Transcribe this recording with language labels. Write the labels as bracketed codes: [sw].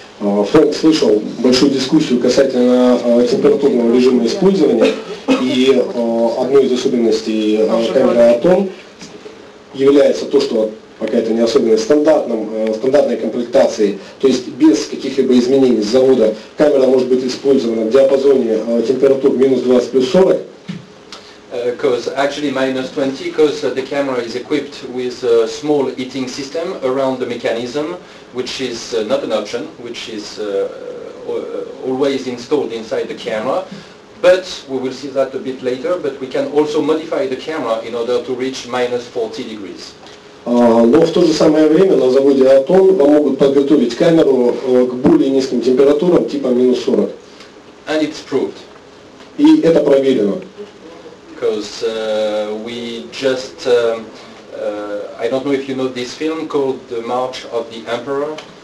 [ru] Фрэнк слышал большую дискуссию касательно температурного режима использования, и одной из особенностей камеры Atom является то, что пока это не особенно стандартной комплектацией, то есть без каких-либо изменений с завода, камера может быть использована в диапазоне температур минус 20 плюс 40. [en] Because actually minus 20, because the camera is equipped with a small heating system around the mechanism, which is not an option, which is always installed inside the camera. But we will see that a bit later, but we can also modify the camera in order to reach minus 40 degrees. [ru] Но в то же самое время на заводе Atom вам могут подготовить камеру к более низким температурам, типа минус 40. [en] And it's proved. [ru] И это проверено. [en] Because we just, I don't know if you know this film called The March of the Emperor.